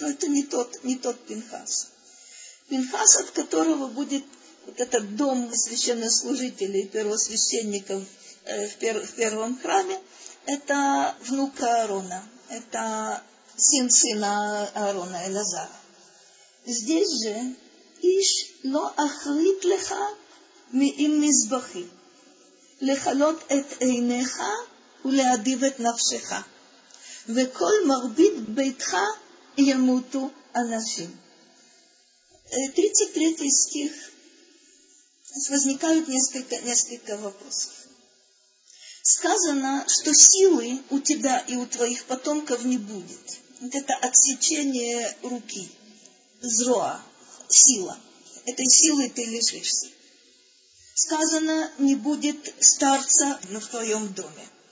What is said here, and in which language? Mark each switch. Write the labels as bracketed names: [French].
[Russian] Но это не тот Пинхас. Пинхас, от которого будет вот этот дом священнослужителей, первосвященников в первом храме, это внук Аарона, это сын сына Аарона, Элазара. Здесь же [Hebrew] «Иш ло ахрит леха ми им мизбахи». לחלות את עיניך ולהדיב את נפשך, וכל מרבית ביתך ימותו אנשים. [Russian] 33 стих. Возникают несколько вопросов. Сказано, что силы у тебя и у твоих потомков не будет. Вот это отсечение руки, зроа, сила. Этой силы ты лишишься. Сказано, не будет старца в твоем доме.